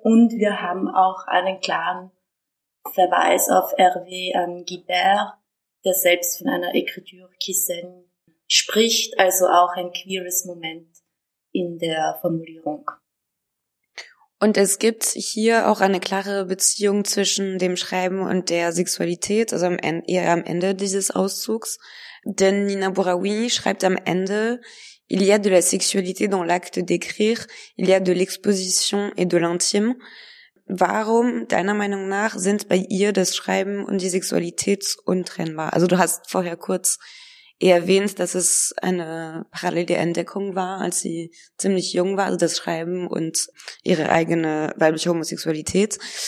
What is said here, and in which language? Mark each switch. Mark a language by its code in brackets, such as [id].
[de] Und wir haben auch einen klaren Verweis auf Hervé Guibert, der selbst von einer [fr] Écriture qui saigne [de] spricht, also auch ein queeres Moment in der Formulierung. Und es gibt hier auch eine klare Beziehung zwischen dem Schreiben und der Sexualität, also eher am Ende dieses Auszugs. Denn Nina Bouraoui schreibt am Ende, [fr] il y a de la sexualité dans l'acte d'écrire, il y a de l'exposition et de l'intime. [de] Warum, deiner Meinung nach, sind bei ihr das Schreiben und die Sexualität untrennbar? Also du hast vorher kurz erwähnt, dass es eine parallele Entdeckung war, als sie ziemlich jung war, also das Schreiben und ihre eigene weibliche Homosexualität.